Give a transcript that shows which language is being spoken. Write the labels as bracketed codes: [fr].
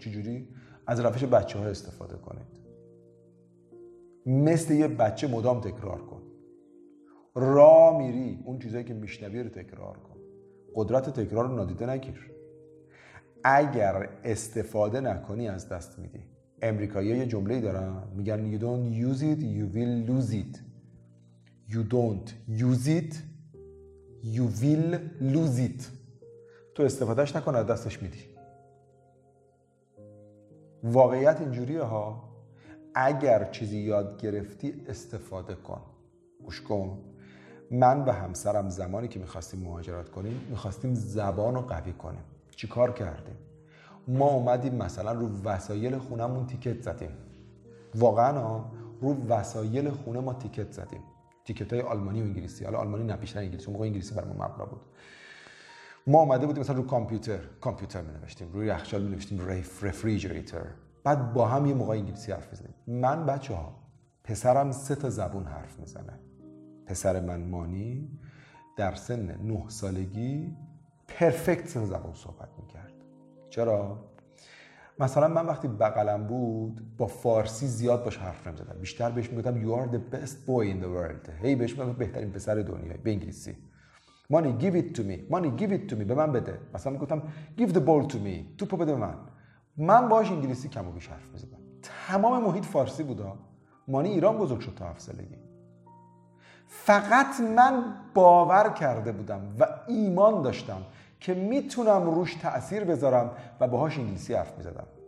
[fa] چجوری؟ از روش بچه ها استفاده کنید. مثل یه بچه مدام تکرار کن، را میری اون چیزایی که میشنوی رو تکرار کن. قدرت تکرار رو نادیده نگیر. اگر استفاده نکنی از دست میدی. امریکایی‌ها یه جمله‌ای دارن میگن [en] you don't use it you will lose it. You don't use it you will lose it. [fa] تو استفادهش نکن از دستش میدی. واقعیت اینجوریه ها، اگر چیزی یاد گرفتی استفاده کن. گوش کن، من و همسرم زمانی که میخواستیم مهاجرت کنیم، میخواستیم زبان رو قوی کنیم. چی کار کردیم؟ ما اومدیم مثلا رو وسایل خونمون تیکت زدیم. واقعا رو وسایل خونه ما تیکت زدیم، تیکت های آلمانی و انگلیسی. حالا آلمانی نه، بیشتر انگلیسی، اون موقع انگلیسی برامون مبنا بود. ما اومده بودیم مثلا رو کامپیوتر، کامپیوتر مینوشتیم، روی یخچال مینوشتیم refrigerator. بعد با هم یه موقع انگلیسی حرف میزنیم. من بچه ها، پسرم سه تا زبون حرف میزنه، پسر من مانی در سن 9 سالگی پرفکت سه زبان صحبت میکرد. چرا؟ مثلا من وقتی بغلم بود با فارسی زیاد باش حرف نمیزدم، بیشتر بهش میگفتم [en] You are the best boy in the world. [fa] هی بهش میگفتم بهترین پسر دنیای به انگلیسی. [en] Money, give it to me. Money, give it to me. [fa] به من بده. مثلا میگفتم [en] Give the ball to me. [fa] توپو بده من. من باش انگلیسی کم و بیش حرف میزدم. تمام محیط فارسی بودا. مانی ایران بزرگ شد تا 7 سالگی. فقط من باور کرده بودم و ایمان داشتم که میتونم روش تأثیر بذارم و باهاش انگلیسی حرف میزدم.